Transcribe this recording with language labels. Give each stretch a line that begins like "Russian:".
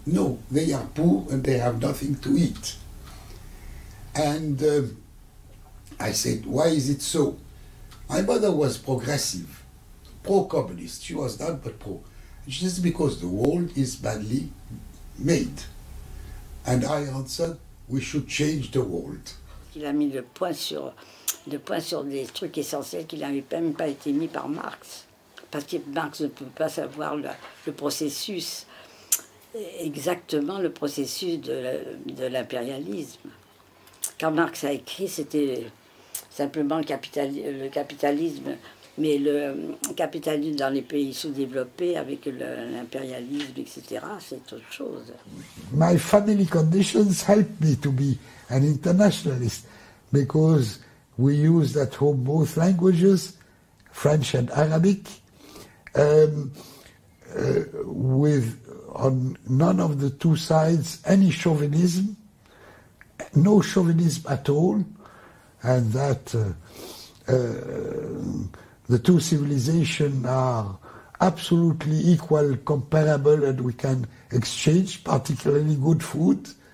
English: No, they are poor and they have nothing to eat. And I said, why is it so? My mother was progressive, pro-communist. She was not, but pro. She says, because the world is badly made. And I answered, we should change the world.
French: Il a mis le point sur des trucs essentiels qui n'avaient même pas été mis par Marx. Parce que Marx ne peut pas savoir le processus, exactement le processus de l'impérialisme. Quand Marx a écrit, c'était simplement le capitalisme, mais le capitalisme dans les pays sous-développés avec l'impérialisme, etc., c'est autre chose.
English: My family conditions helped me to be an internationalist because we used at home both languages, French and Arabic, with on none of the two sides any chauvinism, no chauvinism at all, and that the two civilizations are absolutely equal, comparable, and we can exchange particularly good food.